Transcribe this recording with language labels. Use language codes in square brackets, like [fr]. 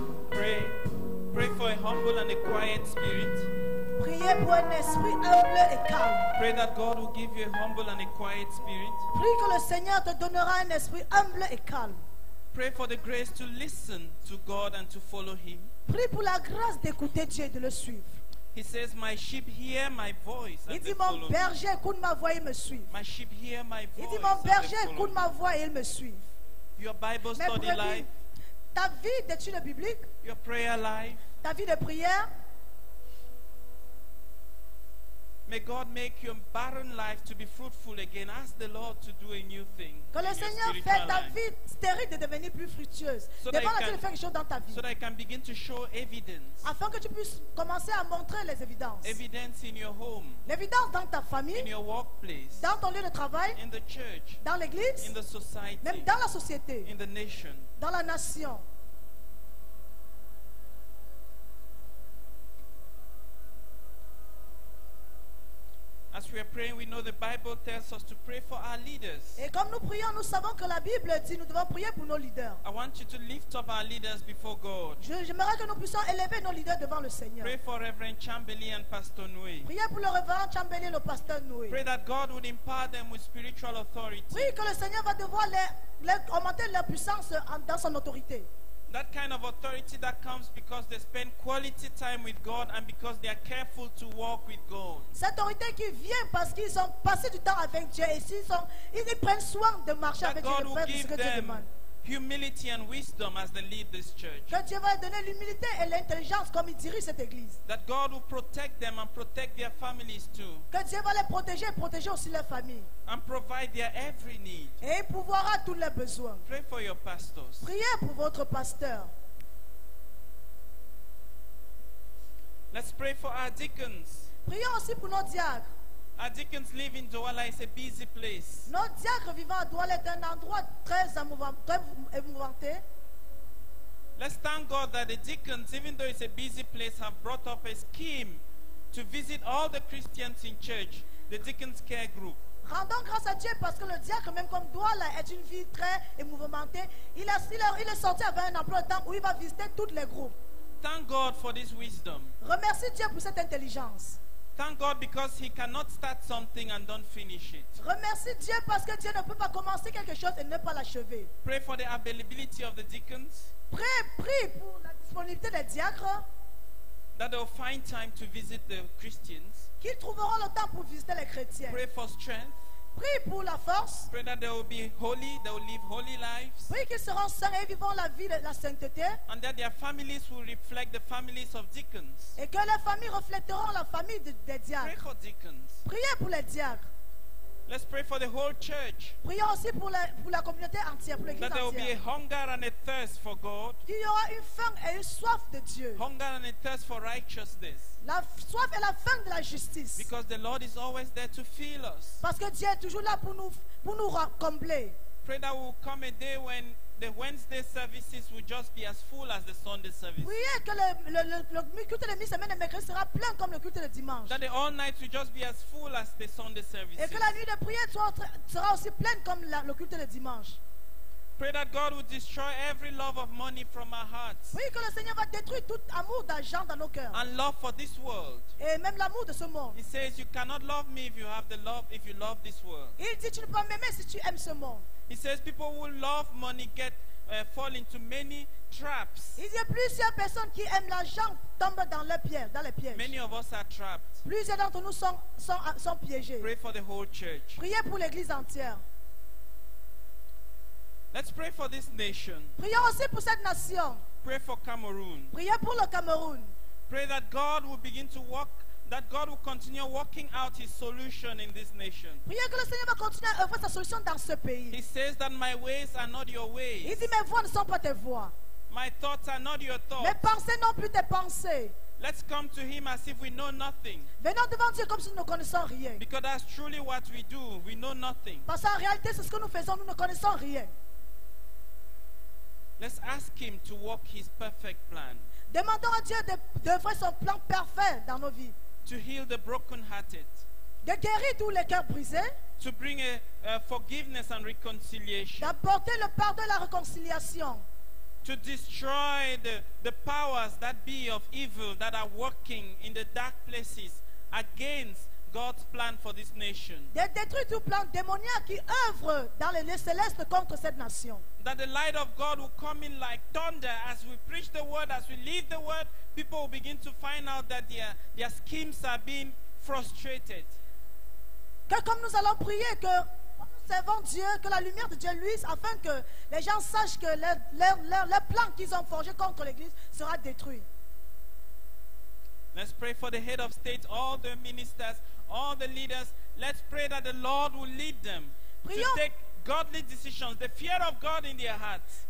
[en] Pray for a humble and a quiet spirit. [fr] Priez pour un esprit humble et calme. [en] Pray that God will give you a humble and a quiet spirit. [fr] Prie que le Seigneur te donnera un esprit humble et calme. [en] Pray for the grace to listen to God and to follow him. [fr] Prie pour la grâce d'écouter Dieu et de le suivre. [en] He says, my sheep hear my voice and [fr] il dit, mon berger écoute ma voix et me suit. [en] My sheep hear my voice. [fr] Il dit, mon berger écoute ma voix et il me suit. [en] Your Bible study [fr] brebis, [en] life. [fr] Ta vie d'étude biblique. [en] Your prayer life. [fr] Ta vie de prière. [en] May God make your barren life to be fruitful again. Ask the Lord to do a new thing. [fr] Que le Seigneur fait ta vie stérile de devenir plus fructueuse. Demande à Dieu de faire quelque chose dans ta vie. [en] So that I can begin to show evidence. [fr] Afin que tu puisses commencer à montrer les évidences. [en] Evidence in your home. [fr] L'évidence dans ta famille. [en] In your workplace. [fr] Dans ton lieu de travail. [en] In the church. [fr] Dans l'église. [en] In the society. [fr] Même dans la société. [en] In the nation. [fr] Dans la nation. [en] As we are praying, we know the Bible tells us to pray for our leaders. [fr] Et comme nous prions, nous savons que la Bible dit nous devons prier pour nos leaders. [en] I want you to lift up our leaders before God. [fr] J'aimerais que nous puissions élever nos leaders devant le Seigneur. [en] Pray for Reverend Chambeli and Pastor Noué. [fr] Priez pour le Reverend Chambeli et le Pasteur Noué. [en] Pray that God would empower them with spiritual authority. [fr] Prie que le Seigneur va devoir les augmenter leur puissance dans son autorité. [en] That kind of authority that comes because they spend quality time with God and because they are careful to walk with God. [fr] Cette autorité qui vient parce qu'ils ont passé du temps avec Dieu et ils prennent soin de marcher avec Dieu, de faire ce que Dieu demande. [en] Humility and wisdom as they lead this church. [fr] Que Dieu va leur donner l'humilité et l'intelligence comme ils dirigent cette église. [en] That God will protect them and protect their families too. [fr] Que Dieu va les protéger et protéger aussi leur famille. [en] And provide their every need. [fr] Et pourvoira tous leurs besoins. [en] Pray for your pastors. [fr] Priez pour votre pasteur. [en] Let's pray for our deacons. [fr] Prions aussi pour nos diacres. [en] Our deacons live in Douala. It's a busy place. [fr] Nos diacres vivant à Douala est un endroit très émouvanté. [en] Let's thank God that the deacons, even though it's a busy place, have brought up a scheme to visit all the Christians in church, the deacons care group. [fr] Rendons grâce à Dieu parce que le diacre, même comme Douala, est une vie très mouvementée. Il est sorti avec un emploi de temps où il va visiter tous les groupes. [en] Thank God for this wisdom. [fr] Remercie Dieu pour cette intelligence. [en] Thank God because he cannot start something and don't finish it. [fr] Remercie Dieu parce que Dieu ne peut pas commencer quelque chose et ne pas l'achever. [en] Pray for the availability of the deacons. [fr] Prie pour la disponibilité des diacres. [en] That they will find time to visit the Christians. [fr] Qu'ils trouveront le temps pour visiter les chrétiens. [en] Pray for strength. [fr] Prie pour la force. [en] Pray that they will be holy, they will live holy lives. [fr] Prie qu'ils seront saints et vivront la vie de la sainteté. [en] And that their families will reflect the families of deacons. [fr] Et que leurs familles reflèteront la famille des diacres. [en] Pray for deacons. [fr] Priez pour les diacres. [en] Let's pray for the whole church. [fr] Prions aussi pour la communauté entière, pour l'église entière. [en] That there will be a hunger and a thirst for God. [fr] Il y aura une faim et une soif de Dieu. [en] Hunger and a thirst for righteousness. [fr] La soif et la faim de la justice. [en] Because the Lord is always there to fill us. [fr] Parce que Dieu est toujours là pour nous combler. [en] Pray that will come a day when the Wednesday services will just be as full as the Sunday service. [fr] Priez que le culte de mi-semaine et mercredi sera plein comme le culte de dimanche. [en] That the all night will just be as full as the Sunday service. [fr] Et que la nuit de prière sera aussi pleine comme le culte de dimanche. [en] Pray that God will destroy every love of money from our hearts. [fr] Priez que le Seigneur va détruire tout amour d'argent dans nos cœurs. [en] And love for this world. [fr] Et même l'amour de ce monde. [en] He says, "You cannot love me if you have the love if you love this world." [fr] Il dit, tu ne peux m'aimer si tu aimes ce monde. [en] He says people who love money fall into many traps. [fr] Il y a plusieurs personnes qui aiment l'argent tombent dans les pièges. [en] Many of us are trapped. [fr] Plusieurs d'entre nous sont piégés. [en] Pray for the whole church. [fr] Priez pour l'église entière. [en] Let's pray for this nation. [fr] Prions aussi pour cette nation. [en] Pray for Cameroon. [fr] Priez pour le Cameroun. [en] Pray that God will begin to work. That God will continue working out His solution in this nation. [fr] Priez que le Seigneur va continuer à œuvrer sa solution dans ce pays. [en] He says that my ways are not your ways. [fr] Il dit mes voies ne sont pas tes voies. [en] My thoughts are not your thoughts. [fr] Mes pensées non plus tes pensées. [en] Let's come to Him as if we know nothing. [fr] Venons devant Dieu comme si nous ne connaissons rien. [en] Because that's truly what we do. We know nothing. [fr] Parce qu'en réalité, c'est ce que nous faisons. Nous ne connaissons rien. [en] Let's ask Him to work His perfect plan. [fr] Demandons à Dieu d'œuvrer son plan parfait dans nos vies. [en] To heal the brokenhearted. [fr] De guérir tous les cœurs brisés. [en] To bring a forgiveness and reconciliation. [fr] D'apporter le pardon et la réconciliation. [en] To destroy the powers that be of evil that are working in the dark places against God's plan for this nation. [fr] De détruire tout plan démoniaque qui œuvre dans les lieux célestes contre cette nation. [en] That the light of God will come in like thunder as we preach the word, as we lead the word, people will begin to find out that their schemes are being frustrated. [fr] Que comme nous allons prier que nous servons Dieu, que la lumière de Dieu luise afin que les gens sachent que leur plan qu'ils ont forgé contre l'église sera détruit. [en] Let's pray for the head of state, all the ministers, all the leaders. Let's pray that the Lord will lead them. [fr] Prions [en] to take godly decisions, the fear of God in their hearts.